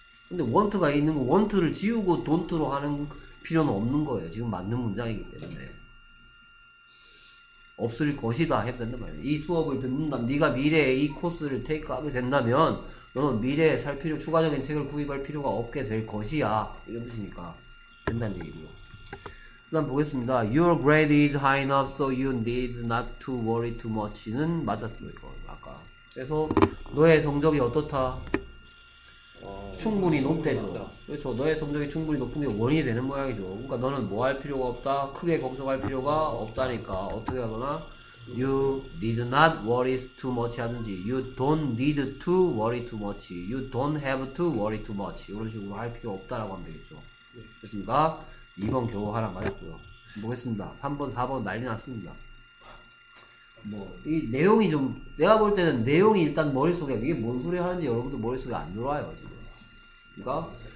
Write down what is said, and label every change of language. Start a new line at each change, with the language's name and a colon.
Korean: 근데 want가 있는 거 want를 지우고 don't로 하는 필요는 없는 거예요. 지금 맞는 문장이기 때문에. 없을 것이다 해도 된단 말이에요. 이 수업을 듣는다면, 네가 미래에 이 코스를 테이크하게 된다면 너는 미래에 살 필요, 추가적인 책을 구입할 필요가 없게 될 것이야. 이런 뜻이니까. 된다는 얘기고요. 일단 보겠습니다.
English: Your grade is high enough so you need not to worry too much는
Korean: 맞았죠, 이거 아까. 그래서 너의 성적이 어떻다? 충분히 높대죠. 그렇죠. 너의 성적이 충분히 높은 게 원인이 되는 모양이죠. 그러니까 너는 뭐 할 필요가 없다? 크게 걱정할 필요가 없다니까. 어떻게 하거나
English: You need not worry too much
Korean: 하든지
English: You don't need to worry too much. You don't have to worry too much.
Korean: 이런 식으로 할 필요 없다라고 하면 되겠죠. 됐습니까? 2번 겨우 하나 맞았고요. 보겠습니다. 3번, 4번 난리 났습니다. 뭐, 이 내용이 좀, 내가 볼 때는 내용이 일단 머릿속에, 이게 뭔 소리 하는지 여러분들 머릿속에 안 들어와요, 지금. 그니까?